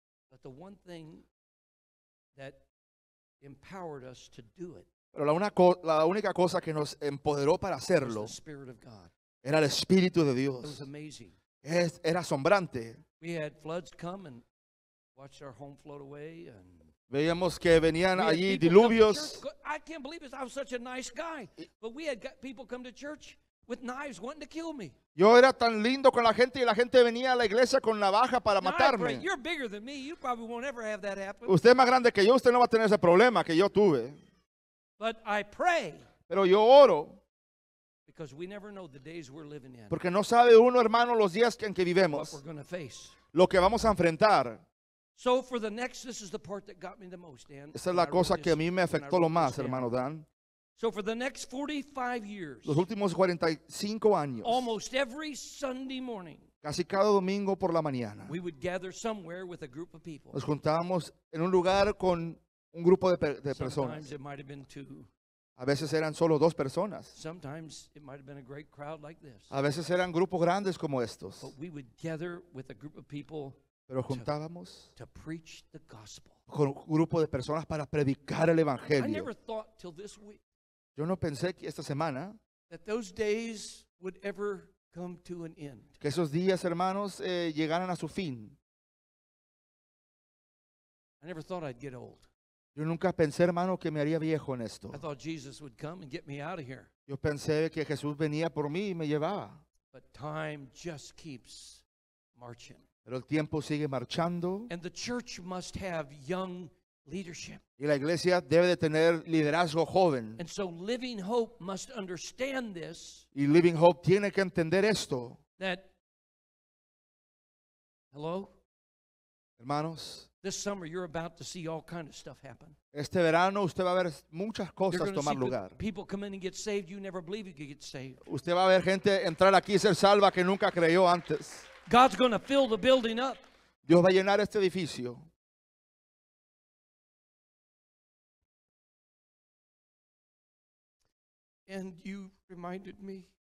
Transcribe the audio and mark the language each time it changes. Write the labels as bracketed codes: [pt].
[en] But the one thing that empowered us to do it. [es] Pero la única cosa que nos empoderó para hacerlo. [en] Was the Spirit of God. [es] Era el Espíritu de Dios. [en] It was amazing. [es] Era asombrante. [en] We had floods come and watched our home float away and [es] veíamos que venían allí diluvios. [en] I can't believe it. I was such a nice guy. But we had people come to church with knives wanting to kill me. [es] Yo era tan lindo con la gente y la gente venía a la iglesia con navaja para matarme. [en] You're bigger than me. You probably won't ever have that happen. [es] Usted es más grande que yo. Usted no va a tener ese problema que yo tuve. [en] But I pray. [es] Pero yo oro. [en] Because we never know the days we're living in. [es] Porque no sabe uno, hermano, los días en que vivemos. [en] What we're going to face. [es] Lo que vamos a enfrentar. [en] So for the next, this is the part that got me the most, Dan. [es] Esa es la cosa que a mí me afectó lo más, hermano Dan. [en] So for the next 45 years. [es] Los últimos 45 años. [en] Almost every Sunday morning. [es] Casi cada domingo por la mañana. [en] We would gather somewhere with a group of people. [es] Nos juntábamos en un lugar con un grupo de personas. [en] Sometimes it might have been two. [es] A veces eran solo dos personas. [en] Sometimes it might have been a great crowd like this. [es] A veces eran grupos grandes como estos. [en] But we would gather with a group of people. [es] Pero juntábamos [en] to preach the gospel. [es] Con un grupo de personas para predicar el evangelio. [en] I never thought till this week. [es] Yo no pensé que esta semana [en] that those days would ever come to an end. [es] Que esos días, hermanos, llegaran a su fin. [en] I never thought I'd get old. [es] Yo nunca pensé, hermano, que me haría viejo en esto. [en] I thought Jesus would come and get me out of here. [es] Yo pensé que Jesús venía por mí y me llevaba. [en] But time just keeps marching. [es] Pero el tiempo sigue marchando. [en] And the church must have young leadership. [es] Y la iglesia debe de tener liderazgo joven. [en] And so Living Hope must understand this. [es] Y Living Hope tiene que entender esto. [en] That, hello? [es] Hermanos. [en] This summer you're about to see all kinds of stuff happen. [es] Este verano usted va a ver muchas cosas tomar lugar. [en] People come in and get saved you never believe you could get saved. [es] Usted va a ver gente entrar aquí y ser salva que nunca creyó antes. [en] God's going to fill the building up. [es] Dios va a llenar este edificio. [en] And you reminded me.